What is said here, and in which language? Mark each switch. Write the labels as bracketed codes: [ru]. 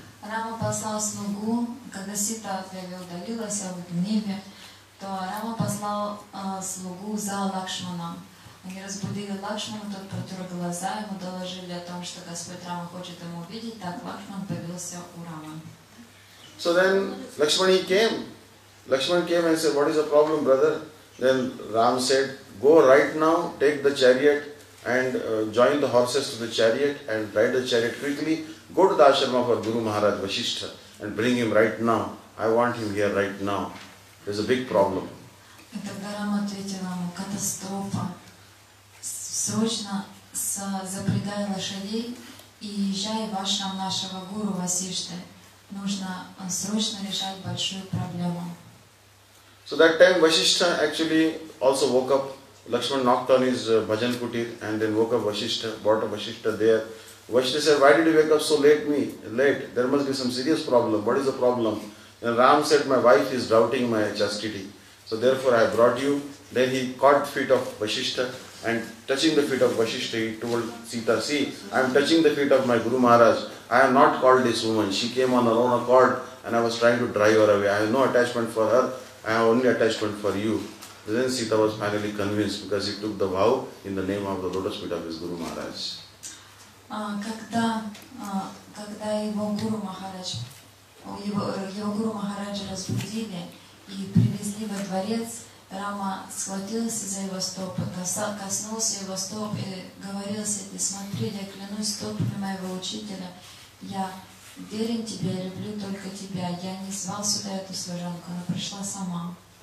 [ru] Рама послал слугу, когда Сита объявил, удалилась в гневе, то Рама послал слугу за Лакшманом. Они разбудили Лакшмана, тот протер глаза, ему доложили о том, что Господь Рама хочет ему увидеть, так Лакшман появился у Рамы. [en] So then Lakshman he came. Lakshman came and said, what is the problem, brother? Then Ram said, go right now, take the chariot and join the horses to the chariot and ride the chariot quickly. Go to the ashram of our Guru Maharaj Vasishtha and bring him right now. I want him here right now. There's a big problem. And then [ru] Rama ответил ему, катастрофа. Срочно запрягай лошадей и езжай в ашрам нашего Гуру Васиштхи. Нужно срочно решать большую проблему. [en] So that time Vasishtha actually also woke up. Lakshman knocked on his bhajan kutir and then woke up Vasishtha, brought up Vasishtha there. Vasishtha said, why did you wake up so late? There must be some serious problem. What is the problem? And Ram said, my wife is doubting my chastity. So therefore I brought you. Then he caught feet of Vasishtha and touching the feet of Vasishtha, he told Sita, see, I am touching the feet of my Guru Maharaj. I have not called this woman. She came on her own accord and I was trying to drive her away. I have no attachment for her. I have only attachment for you. Then Sita was finally convinced because he took the vow in the name of the lotus feet of his Guru Maharaj. [ru] Когда его Гуру Махараджа разбудили и привезли во дворец, Рама схватился за его стопы, коснулся его стоп и говорил себе, смотри, я клянусь стопами моего учителя, я верен тебе, я люблю только тебя, я не звал сюда эту служанку, она пришла сама.